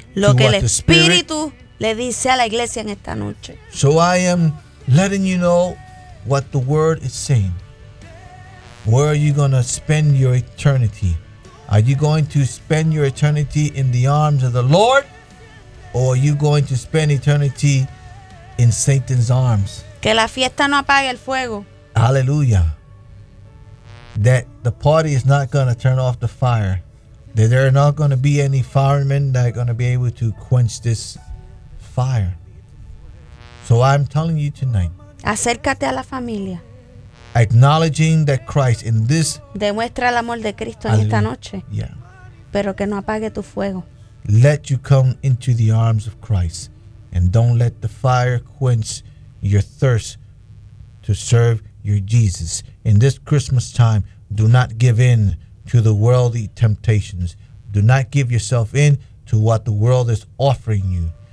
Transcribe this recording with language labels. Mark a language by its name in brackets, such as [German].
[Spanish] Lo que el Espíritu le dice a la iglesia en esta noche. [English] So I am letting you know what the word is saying. Where are you going to spend your eternity? Are you going to spend your eternity in the arms of the Lord? Or are you going to spend eternity in Satan's arms? [Spanish] Que la fiesta no apague el fuego. Aleluya. [English] that the party is not going to turn off the fire, that there are not going to be any firemen that are going to be able to quench this fire. So I'm telling you tonight, [Spanish] acércate a la familia, [English] acknowledging that Christ in this, [Spanish] demuestra el amor de Cristo en esta noche. Yeah. Pero que no apague tu fuego. [English] Let you come into the arms of Christ, and don't let the fire quench your thirst to serve your Jesus. In this Christmas time, do not give in to the worldly temptations. Do not give yourself in to what the world is offering you.